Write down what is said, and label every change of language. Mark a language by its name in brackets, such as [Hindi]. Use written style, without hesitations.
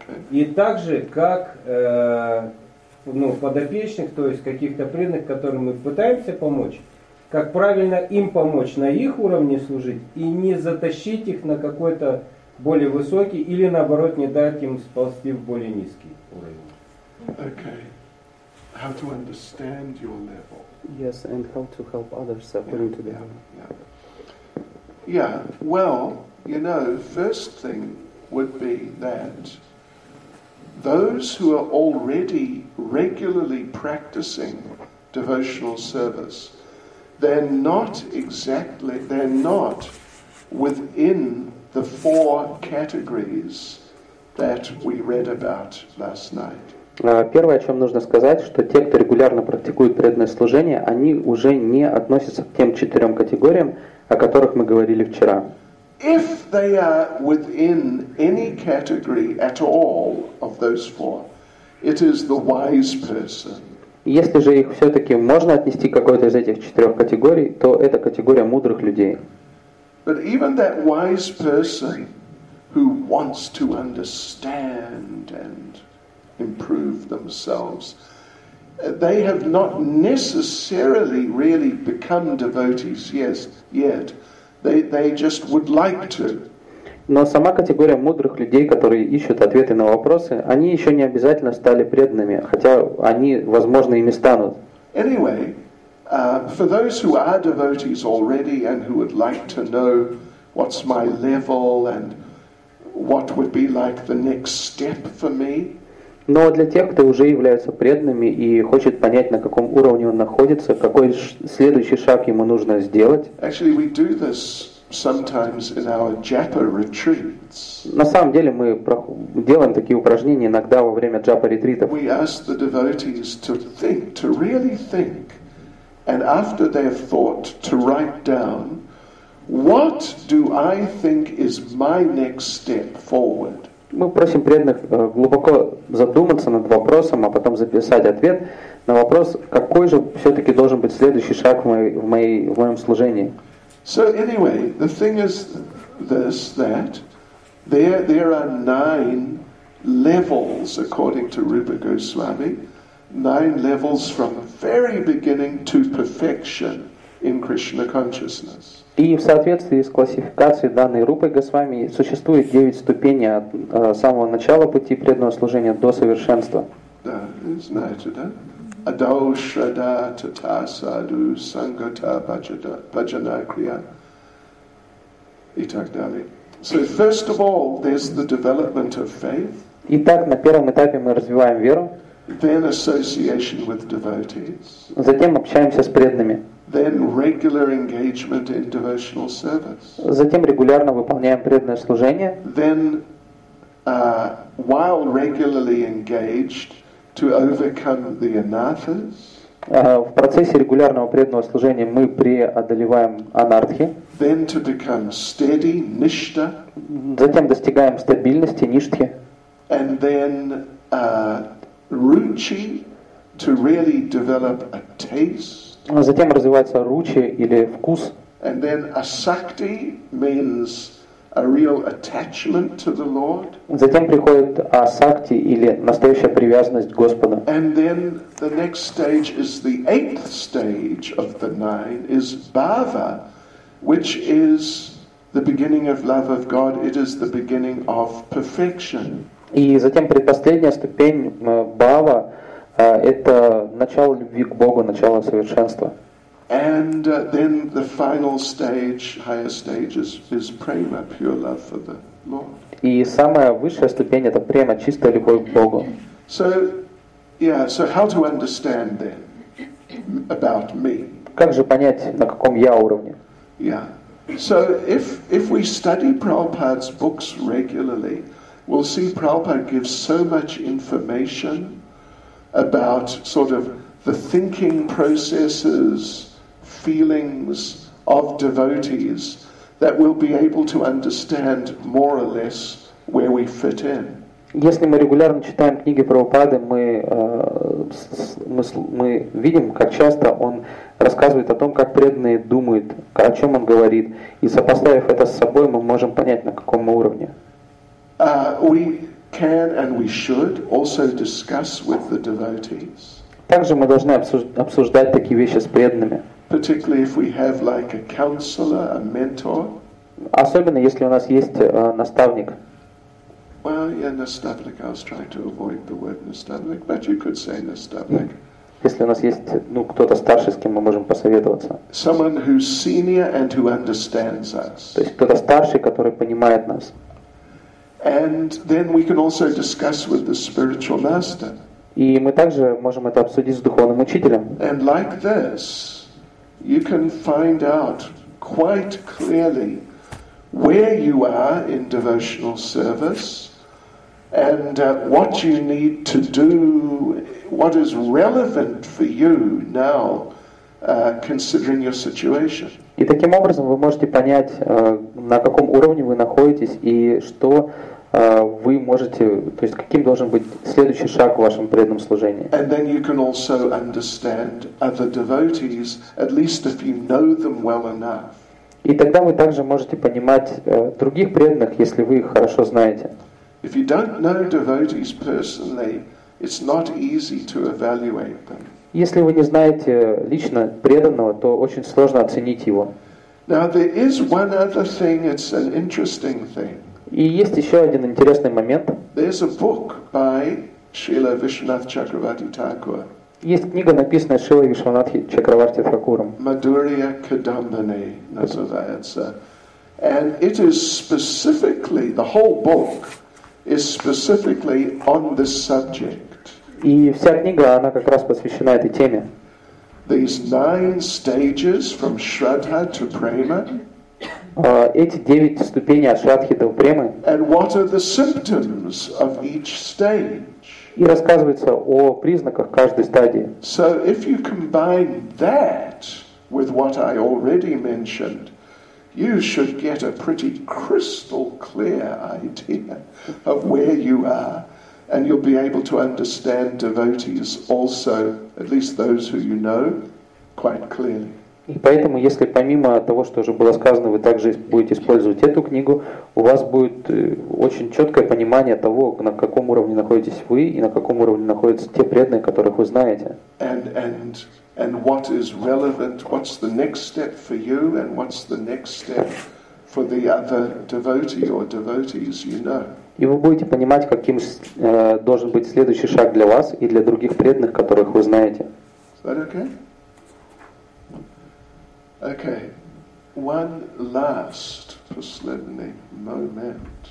[Russian] И также, как подопечных, то есть каких-то преданных, которым мы пытаемся помочь, как правильно им помочь на их уровне служить и не затащить их на какой-то более высокий или наоборот не дать им сползти в более низкий уровень. [English] Okay. How to understand your level. Yes, and how to help others according to their level. Yeah, well, you know, first thing would be that those who are already regularly practicing devotional service, they're not within the four categories that we read about last night. [Russian] Первое, о чем нужно сказать, что те, кто регулярно практикует преданное служение, они уже не относятся к тем четырем категориям, о которых мы говорили вчера. [English] If they are within any category at all of those four, it is the wise person. [Russian] Если же их все-таки можно отнести к какой-то из этих четырех категорий, то это категория мудрых людей. [English] But even that wise person who wants to understand and improve themselves, they have not necessarily really become devotees yet. They just would like to. [Russian] Но сама категория мудрых людей, которые ищут ответы на вопросы, они еще не обязательно стали преданными, хотя они, возможно, ими станут. [English] Anyway, for those who are devotees already and who would like to know what's my level and what would be like the next step for me. [Russian] Но для тех, кто уже является преданными и хочет понять, на каком уровне он находится, какой следующий шаг ему нужно сделать. [English] Actually, we do this sometimes in our japa retreats. [Russian] На самом деле мы делаем такие упражнения иногда во время джапа ретритов. [English] We ask the devotees to think, to really think, and after they've thought, to write down what do I think is my next step forward. [Russian] Мы просим преданных глубоко задуматься над вопросом, а потом записать ответ на вопрос, какой же все-таки должен быть следующий шаг в моем служении. [English] So anyway, the thing is, this, that. There are nine levels, according to Rupa Goswami, nine levels from very beginning to perfection in Krishna consciousness. [Russian] И в соответствии с классификацией данной Рупой Госвами существует 9 ступеней от самого начала пути преданного служения до совершенства. Да, знаете, да? [Sanskrit] Адау, шрада, тата, саду, сангата, баджана, крия и так далее. [English] So first of all, there's the development of faith. [Russian] Итак, на первом этапе мы развиваем веру. [English] Then association with devotees. [Russian] Затем общаемся с преданными. [English] Then regular engagement in devotional service. [Russian] Затем регулярно выполняем преданное служение. [English] Then, while regularly engaged, to overcome the anarthas. [Russian] В процессе регулярного преданного служения мы преодолеваем анартхи. [English] Then to become steady, ништа. [Russian] Затем достигаем стабильности, ништхи. [English] And then, ручи, to really develop a taste. [Russian] Затем развивается ручи или вкус. [English] And then asakti means a real attachment to the Lord. [Russian] Затем приходит асакти или настоящая привязанность к Господу. [English] And then the next stage is the eighth stage of the nine is bhava, which is the beginning of love of God. It is the beginning of perfection. [Russian] И затем предпоследняя ступень бхава. Это начало любви к Богу, начало совершенства. [English] And then the final stage, higher stage is prema, pure love for the Lord. [Russian] И самая высшая ступень это према, чистая любовь к Богу. [English] So, yeah, so how to understand then about me? [Russian] Как же понять, на каком я уровне? [English] Yeah. So if we study Prabhupada's books regularly, we'll see Prabhupada gives so much information about sort of the thinking processes, feelings of devotees, that we'll be able to understand more or less where we fit in. [Russian] Если мы регулярно читаем книги Прабхупады, мы видим, как часто он рассказывает о том, как преданные думают, о чем он говорит, и сопоставив это с собой, мы можем понять, на каком мы уровне. [English] Can and we should also discuss with the devotees. [Russian] Также мы должны обсуждать такие вещи с преданными. [English] Particularly if we have like a counselor, a mentor. [Russian] Особенно если у нас есть наставник. [English] Well, yeah, наставник. I was trying to avoid the word наставник, but you could say наставник. [Russian] Если у нас есть кто-то старше, с кем мы можем посоветоваться. [English] Someone who's senior and who understands us. [Russian] То есть кто-то старший, который понимает нас. [English] And then we can also discuss with the spiritual master. [Russian] И мы также можем это обсудить с духовным учителем. [English] And like this, you can find out quite clearly where you are in devotional service and what you need to do, what is relevant for you now, considering your situation. [Russian] И таким образом вы можете понять, на каком уровне вы находитесь и что вы можете, то есть каким должен быть следующий шаг в вашем преданном служении. [English] And then you can also understand other devotees, at least if you know them well enough. [Russian] И тогда вы также можете понимать других преданных, если вы их хорошо знаете. [English] If you don't know devotees personally, it's not easy to evaluate them. [Russian] Если вы не знаете лично преданного, то очень сложно оценить его. [English] Now there is one other thing, it's an interesting thing. [Russian] И есть еще один интересный момент. [English] There's a book by Srila Vishwanath Chakravarti Thakur. [Russian] Есть книга, написанная Шрилой Вишванатхи Чакраварти Такуром. Madhurya Kadambini называется. [English] And it is specifically, the whole book is specifically on this subject. [Russian] И вся книга, она как раз посвящена этой теме. [English] These nine stages from Shraddha to Prema. [Russian] Эти 9 ступеней от шрадхи до премы. [English] And what are the symptoms of each stage? [Russian] И рассказывается о признаках каждой стадии. [English] So if you combine that with what I already mentioned, you should get a pretty crystal clear idea of where you are, and you'll be able to understand devotees also, at least those who you know, quite clearly. [Russian] И поэтому, если помимо того, что уже было сказано, вы также будете использовать эту книгу, у вас будет очень четкое понимание того, на каком уровне находитесь вы и на каком уровне находятся те преданные, которых вы знаете. [English] And what is relevant, what's the next step for you, and what's the next step for the other devotee or devotees you know. [Russian] И вы будете понимать, каким должен быть следующий шаг для вас и для других преданных, которых вы знаете. [English] Is that okay? Okay. One last [Russian] последний момент.